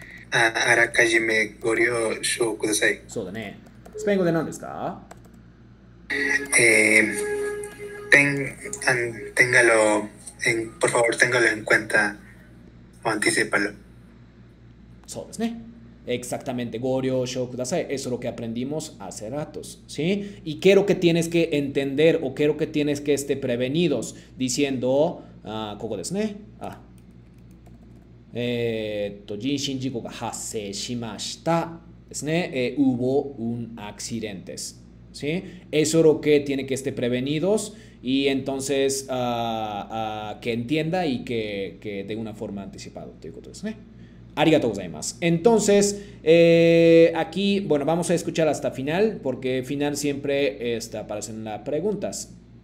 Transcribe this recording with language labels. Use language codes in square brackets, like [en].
[ja] あらかじめご了承ください。そうだね。スペイン語で何ですか？ [es] téngalo en por favor téngalo en cuenta o anticipalo。 [ja] そうですね。 [es] Exactamente ご了承ください。 Eso es lo que aprendimos hace ratos, ¿sí? Y quiero que tienes que entender o quiero que tienes que esté prevenidos diciendo [ja] ここですね。人身事故が発生しましたですね。 [es] Hubo un accidente. ¿sí? Eso es lo que tiene que estar prevenidos y entonces que entienda y que de una forma anticipada. [ja] Arigatou gozaimasu. [es] Entonces, aquí, bueno, vamos a escuchar hasta final, porque final siempre está aparecen las preguntas.